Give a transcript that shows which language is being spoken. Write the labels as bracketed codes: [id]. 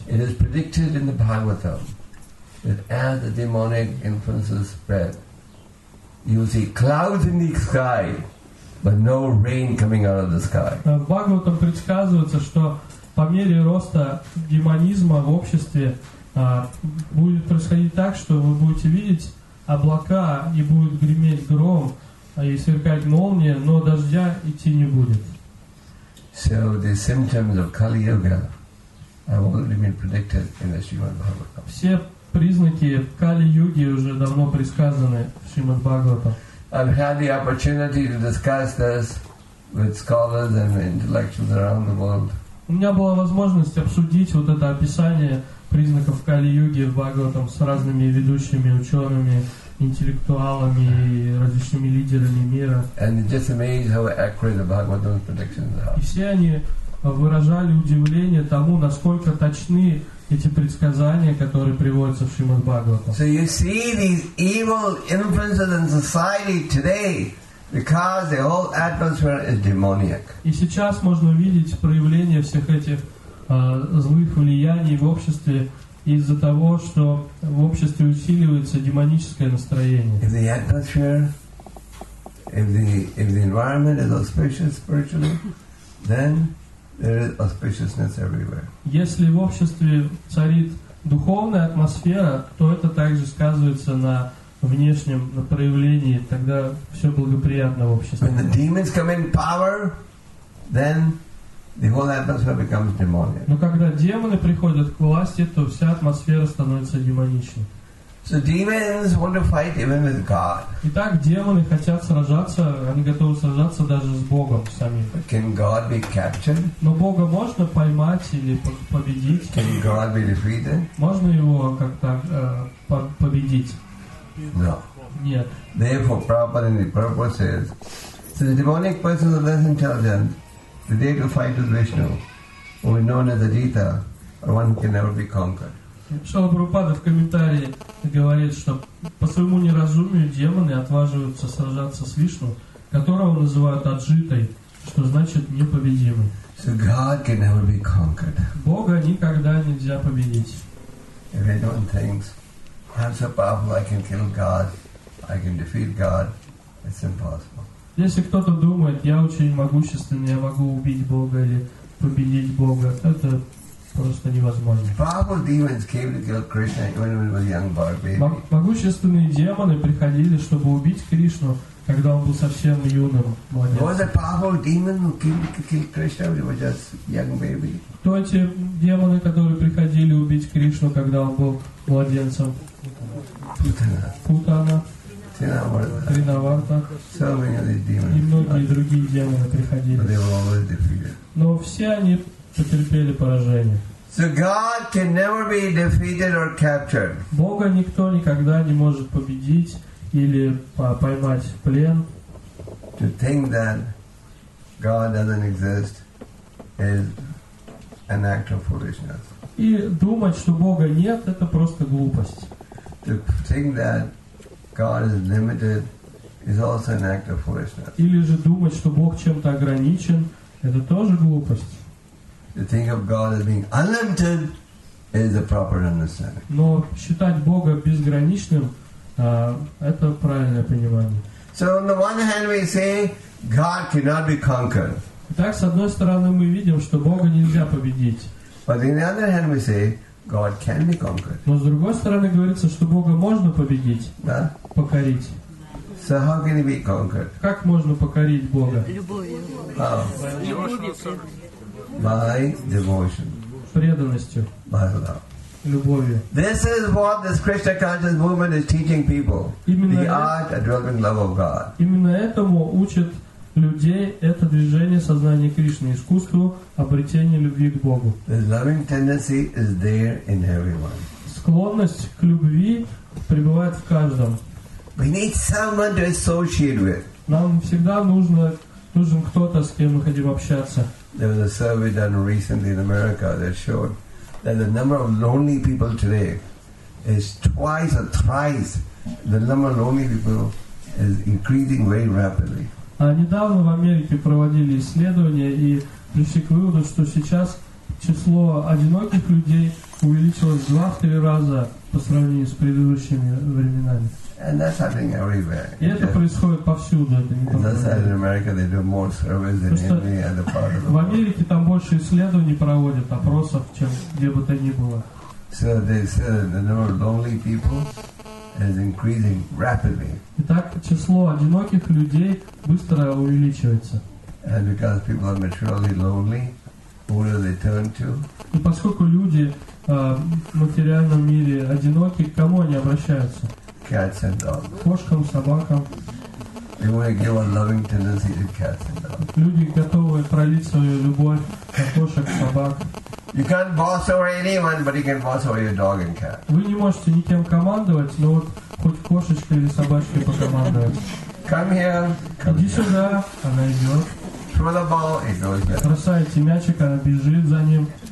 [en] It is predicted in the Bhagavatam that as the demonic influences spread, you will see clouds in the sky, but no rain coming out of the sky. [ru] В Бхагаватам предсказывается, что по мере роста демонизма в обществе будет происходить так, что вы будете видеть облака и будет греметь гром, и сверкать молния, но дождя идти не будет. [en] So the symptoms of Kali Yuga have already been predicted in the Srimad Bhagavatam. [ru] Все признаки Кали-юги уже давно предсказаны в Шримад Бхагаватам. [en] I've had the opportunity to discuss this with scholars and intellectuals around the world. [ru] У меня была возможность обсудить вот это описание признаков Кали-юги в Бхагаватам с разными ведущими учеными, интеллектуалами и различными лидерами мира. [en] And it just amazed how accurate the Bhagavatam's predictions are. [ru] И все они выражали удивление тому, насколько точны эти предсказания, которые приводятся в Шримад Бхагаватам. [en] So you see these evil influences in society today because the whole atmosphere is demoniac. [ru] И сейчас можно видеть проявление всех этих злых влияний в обществе из-за того, что в обществе усиливается демоническое настроение. [en] If the atmosphere, if the environment is auspicious spiritually, then there is auspiciousness everywhere. [ru] Если в обществе царит духовная атмосфера, то это также сказывается на внешнем, на проявлении, тогда все благоприятно в обществе. [en] When the demons come in power, then the whole atmosphere becomes demonic. [ru] Но когда демоны приходят к власти, то вся атмосфера становится демоничной. [en] So demons want to fight even with God. [ru] Итак, демоны хотят сражаться, они готовы сражаться даже с Богом самим. [en] But can God be captured? [ru] Но Бога можно поймать или победить? [en] Can God be defeated? [ru] Можно его как-то победить? [en] No. [ru] Нет. [en] Therefore, Prabhupada in the purpose says, so the demonic persons are less intelligent. The day to fight with Vishnu, who is known as Adita, or one who can never be conquered. [ru] Шрила Прабхупада в комментарии говорит, что по своему неразумию демоны отваживаются сражаться с Вишну, которого называют Аджитой, что значит непобедимый. [en] So God can never be conquered. [ru] Бога никогда нельзя победить. [en] If anyone thinks, I'm so powerful, I can kill God, I can defeat God, it's impossible. [ru] Если кто-то думает, я очень могущественный, я могу убить Бога или победить Бога, это просто невозможно. [en] Powerful demons came to kill Krishna even when he was a young boy, baby. [ru] Могущественные демоны приходили, чтобы убить Кришну, когда он был совсем юным. [en] Was a powerful demon who came to kill Krishna when he was just young baby? [ru] Кто эти демоны, которые приходили убить Кришну, когда он был младенцем? Путана. Тринаварта. [en] So many of these demons. [ru] И многие другие демоны приходили. [en] But they were always defeated. [ru] Но все они потерпели поражение. [en] So God can never be defeated or captured. [ru] Бога никто никогда не может победить или поймать в плен. [en] To think that God doesn't exist is an act of foolishness. [ru] И думать, что Бога нет, это просто глупость. [en] To think that God is limited is also an act of foolishness. [ru] Или же думать, что Бог чем-то ограничен, это тоже глупость. [en] To think of God as being unlimited is a proper understanding. [ru] Но считать Бога безграничным, это правильное понимание. [en] So on the one hand we say God cannot be conquered. [ru] Итак, с одной стороны мы видим, что Бога нельзя победить. [en] But on the other hand we say God can be conquered. [ru] Но с другой стороны говорится, что Бога можно победить, да? Покорить. [en] So how can he be conquered? [ru] Как можно покорить Бога? [en] By devotion. [ru] Преданностью. [en] By love. [ru] Любовью. [en] This is what this Krishna conscious movement is teaching people. [ru] Именно [en] the art of drunken love of God. [ru] Именно этому учат людей это движение сознания Кришны, искусству обретения любви к Богу. [en] The loving tendency is there in everyone. [ru] Склонность к любви пребывает в каждом. [en] We need someone to associate with. [ru] Нам всегда нужен кто-то, с кем мы хотим общаться. [en] There was a survey done recently in America that showed that the number of lonely people today is twice or thrice the number of lonely people is increasing very rapidly. [ru] А недавно в Америке проводили исследования и пришли к выводу, что сейчас число одиноких людей увеличилось в 2-3 раза по сравнению с предыдущими временами. [en] And that's happening everywhere. [ru] И это происходит повсюду. В Америке там больше исследований проводят, опросов, чем где бы то ни было. [en] So they said the number of lonely people is increasing rapidly. [ru] Итак, число одиноких людей быстро увеличивается. [en] And because people are materially lonely, who do they turn to? [ru] И поскольку люди в материальном мире одиноки, к кому они обращаются? [en] Cats and dogs. [ru] Кошкам, собакам. [en] They want to give a loving tendency to cats and dogs. [ru] Люди готовы пролить свою любовь на кошек, собак. [en] You can't boss over anyone, but you can boss over your dog and cat. [ru] Вы не можете никем командовать, но вот хоть кошечкой или собачкой покомандовать. [en] Come here. [ru] Иди сюда. Она идет. [en] Throw the ball. It goes there. [ru] Бросаете мячик, она бежит за ним.